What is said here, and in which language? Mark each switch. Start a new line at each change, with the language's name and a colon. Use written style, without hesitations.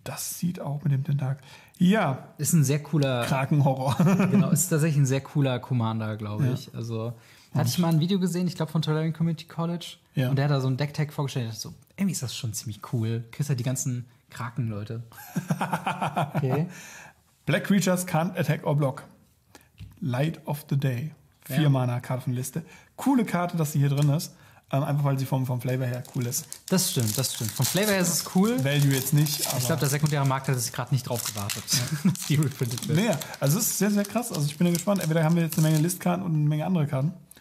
German: Das sieht auch mit dem Tentakel. Ja. Ist ein sehr cooler Krakenhorror. Genau, ist tatsächlich ein sehr cooler Commander, glaube ich. Also hatte ich mal ein Video gesehen, ich glaube von Tolarian Community College. Ja. Und der hat da so ein Deck-Tag vorgestellt. Ich dachte so, irgendwie ist das schon ziemlich cool. Kriegst halt die ganzen Kraken-Leute. Okay.
English: Black Creatures can't attack or block.
German: Light of the Day. 4-Mana-Karte von Liste. Coole Karte, dass sie hier drin ist. Einfach weil sie vom Flavor her cool ist. Das stimmt, das stimmt. Vom Flavor her ist es cool. Value jetzt nicht, aber ich glaube, der sekundäre Markt hat sich gerade nicht drauf gewartet, dass die reprintet wird. Nee, also es ist sehr, sehr krass. Also ich bin ja gespannt. Entweder haben wir jetzt eine Menge Listkarten und eine Menge andere Karten.